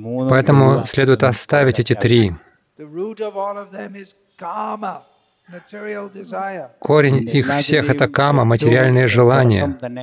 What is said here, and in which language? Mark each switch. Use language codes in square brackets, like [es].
[ru] Поэтому следует оставить эти три. [en] The root of all of them is karma, material desire. [ru] Корень их всех — это кама, материальные желания.